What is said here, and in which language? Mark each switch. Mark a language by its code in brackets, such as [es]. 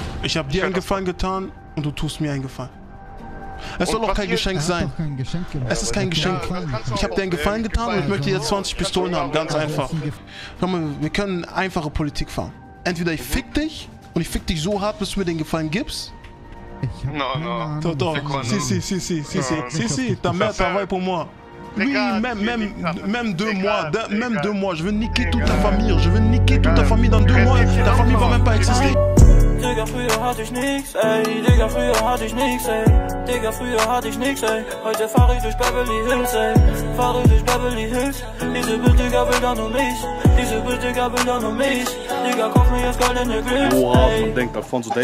[de] Ich habe dir einen Gefallen getan und du tust mir einen Gefallen. Es soll auch kein Geschenk sein. Es ist kein Geschenk. Ich habe dir einen Gefallen getan und ich möchte dir 20 Pistolen haben, ganz einfach. Schau mal, wir können einfache Politik fahren. Entweder ich fick dich und ich fick dich so hart, bis du mir den Gefallen gibst. Nein, no, no. [fr] Si, si, si, si, si, si, si, si, ta mère travaille pour moi. Oui, même deux mois, même deux mois, je veux niquer toute ta famille, je veux niquer toute ta famille dans deux mois, ta famille va même pas exister. [de] Digga, früher hatte ich nix, ey. Digga, früher hatte ich nix, ey. Digga, früher hatte ich nix, ey. Heute fahr ich durch Beverly Hills, ey. Fahr ich durch Beverly Hills. Diese Bitch, Digga, will da nur mich. Diese Bitch, Digga, will da nur mich. Digga, kauf mir jetzt goldene Grills. Boah, man denkt, Alfonso Davis.